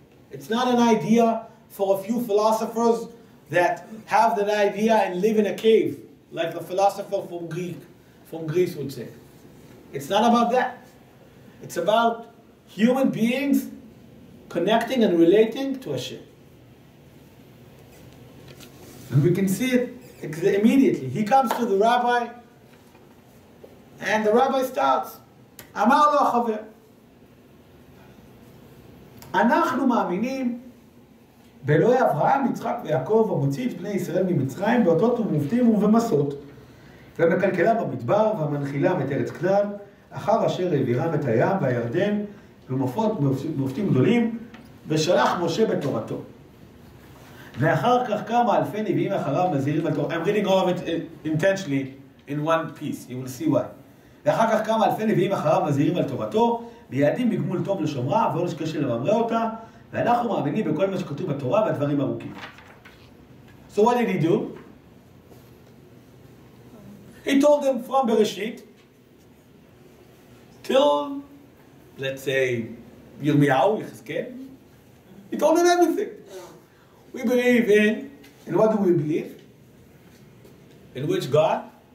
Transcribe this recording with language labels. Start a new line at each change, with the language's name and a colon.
English: It's not an idea for a few philosophers that have that idea and live in a cave, like the philosopher from Greece would say. It's not about that. It's about human beings connecting and relating to Hashem. And we can see it immediately. He comes to the rabbi, and the rabbi starts,
Hebrew: Amar lo chaver, Anachnu ma'aminim, באלוהי אברהם, יצחק ויעקב, המוציא את בני ישראל ממצרים, באותות ומופתים ובמסות, ומקלקלה במדבר, והמנחילה את ארץ כנען, אחר אשר העבירם את הים והירדן, ומופתים גדולים, ושלח משה בתורתו. ואחר כך כמה אלפי נביאים אחריו מזהירים על תורתו.
English: I'm reading all of it intentionally in one piece, you will see why.
Hebrew: ואחר כך כמה אלפי נביאים אחריו מזהירים על תורתו, מייעדים בגמול טוב לשומרה, ועונש קשה לממרא אותה, ואנחנו מאמינים בכל מה שכתוב בתורה והדברים ארוכים.
English: So what did he do? He told them from Bereshit till, let's say, Yirmiyahu, Yechezkel. He told them everything. We believe in, and what do we believe? In which God?